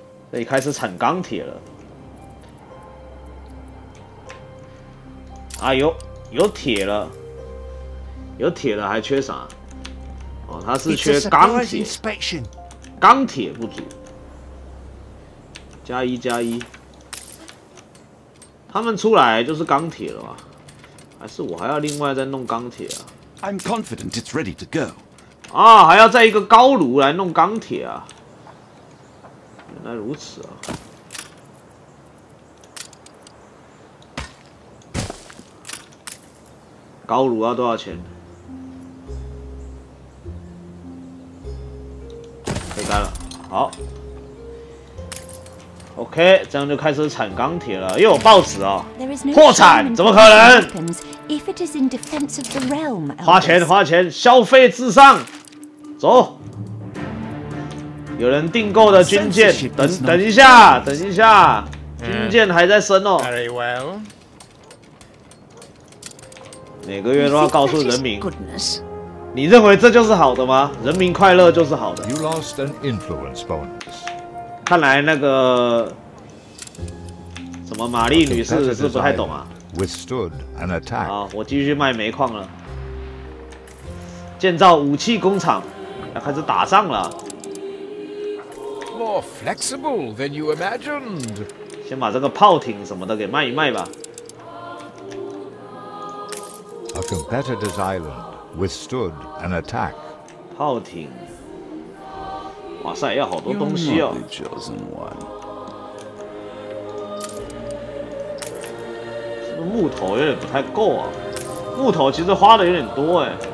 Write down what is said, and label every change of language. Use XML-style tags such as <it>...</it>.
<zh>可以开始产钢铁了。啊，有铁了，有铁了，还缺啥？哦，他是缺钢铁，钢铁不足，加一加一，他们出来就是钢铁了吧？还是我还要另外再弄钢铁啊</zh> <en>？I'm confident it's ready to go.</en> <zh>啊，还要在一个高炉来弄钢铁啊！原来如此啊！高炉要多少钱？可以干了，好。 OK， 这样就开始产钢铁了，又有报纸哦。破产？怎么可能？花钱，花钱，消费至上。走，有人订购的军舰，等一下，军舰还在升哦。</zh> <en>Very well.</en> <zh>每个月都要告诉人民，你认为这就是好的吗？人民快乐就是好的。</zh> <en>You lost an influence bonus.</en> <zh>看来那个什么玛丽女士是不太懂啊。</zh> <en>Withstood an attack.</en> <zh>好，我继续卖煤矿了，建造武器工厂。要开始打仗了。</zh> <en>More flexible than you imagined.</en> <zh>先把这个炮艇什么的给卖一卖吧。</zh> <en>A competitor's island withstood an attack.</en> <zh>炮艇。哇塞，要好多东西哦。</zh> <en>You're not the chosen one.</en> <zh>是不是木头有点不太够啊？木头其实花的有点多哎。</zh>